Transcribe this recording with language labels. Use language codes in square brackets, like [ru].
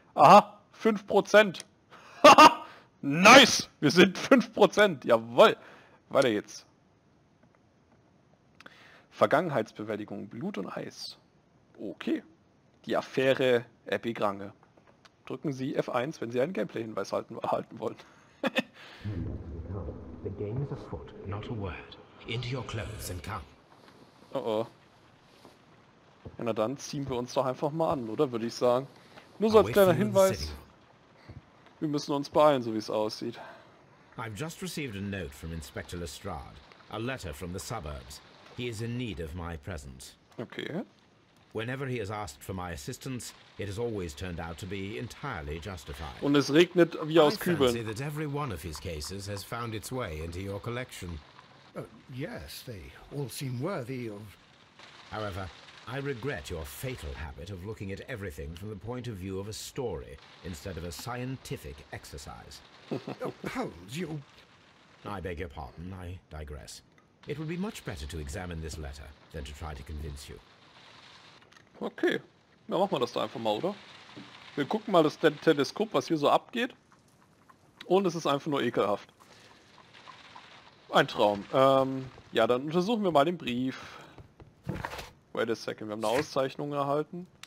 [de] Aha, 5%. Nice, wir sind 5%. Jawohl. Weiter geht's. Vergangenheitsbewältigung, Blut und Eis. Okay. Die Affäre Epigrange. Drücken Sie F1, wenn Sie einen Gameplay-Hinweis erhalten wollen. [en] The game is afoot, not a word. Into your clothes and come. [de] Oh oh. Ja, na dann ziehen wir uns doch einfach mal an, oder? Würde ich sagen. Nur so als kleiner Hinweis. Wir müssen uns beeilen, so wie es aussieht. [en] I've just received a note from Inspector Lestrade. A letter from the suburbs. He is in need of my presence. Okay. Whenever he has asked for my assistance, it has always turned out to be entirely justified. [de] Und es regnet wie aus Kübeln. [en] I fancy that every one of his cases has found its way into your collection. Yes, they all seem worthy of... However, I regret your fatal habit of looking at everything from the point of view of a story instead of a scientific exercise. Holmes, you... I beg your pardon, I digress. It would be much better to examine this letter than to try to convince you. [de] Okay, dann ja, machen wir das da einfach mal, oder? Wir gucken mal das Teleskop, was hier so abgeht. Und es ist einfach nur ekelhaft. Ein Traum. Ja, dann untersuchen wir mal den Brief. [en] Wait a second, [de] wir haben eine Auszeichnung erhalten.